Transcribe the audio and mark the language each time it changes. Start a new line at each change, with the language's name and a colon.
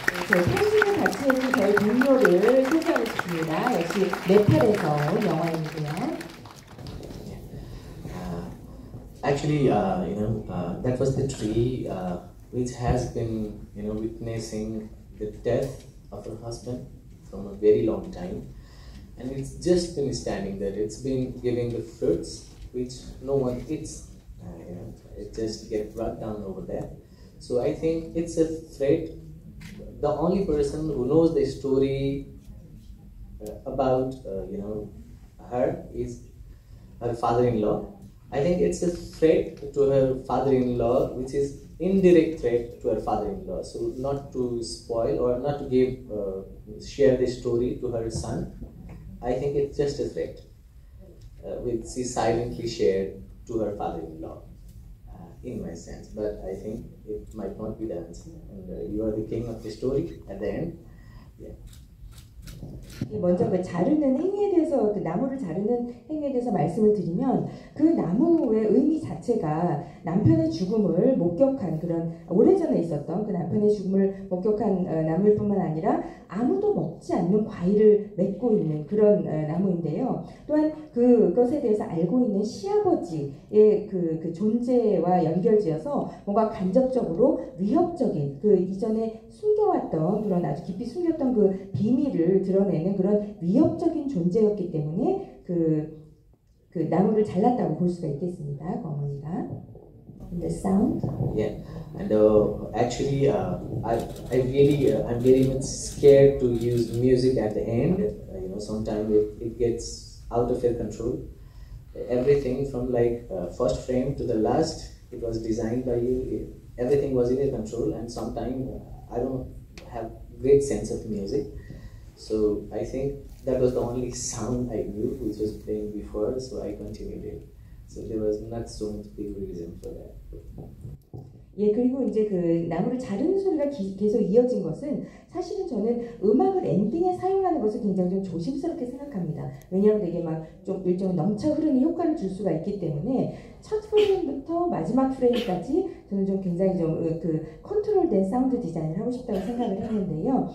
Korean: 펜싱을 같은 저희 동료를 소개하겠습니다. 역시 네팔에서 영화인데요.
English: Actually, that was the tree which has been, you know, witnessing the death of her husband from a very long time, and it's just been standing there. It's been giving the fruits which no one eats. It just get brought down over there. So I think it's a threat. The only person who knows the story about her is her father-in-law. I think it's a threat to her father-in-law, which is indirect threat to her father-in-law. So not to spoil or not to give share the story to her son. I think it's just a threat which she silently shared to her father-in-law. In my sense, but I think it might not be the answer. And you are the king of the story at the end. Yeah.
Korean: 먼저 그 자르는 행위에 대해서 그 나무를 자르는 행위에 대해서 말씀을 드리면 그 나무의 의미 자체가 남편의 죽음을 목격한 그런 오래전에 있었던 그 남편의 죽음을 목격한 나무일 뿐만 아니라 아무도 먹지 않는 과일을 맺고 있는 그런 나무인데요. 또한 그것에 대해서 알고 있는 시아버지의 그 존재와 연결지어서 뭔가 간접적으로 위협적인 그 이전에 숨겨왔던 그런 아주 깊이 숨겼던 그 비밀을 드러내는 그런 위협적인 존재였기 때문에 그 나무를 잘랐다고 볼 수가 있겠습니다. 그 어머니가.
English: The sound? Yeah, and actually I'm very much scared to use music at the end. You know, sometimes it gets out of your control. Everything from like first frame to the last, it was designed by you. Everything was in your control, and sometimes I don't have great sense of music. So I think that was the only sound I knew, which was playing before, so I continued it. So there was not so much big reason for that.
Korean: 예, 그리고 이제 그 나무를 자르는 소리가 계속 이어진 것은 사실은 저는 음악을 엔딩에 사용하는 것을 굉장히 좀 조심스럽게 생각합니다. 왜냐하면 되게 막 좀 일종의 넘쳐 흐르는 효과를 줄 수가 있기 때문에 첫 프레임부터 마지막 프레임까지 저는 좀 굉장히 좀 그 컨트롤된 사운드 디자인을 하고 싶다고 생각을 했는데요.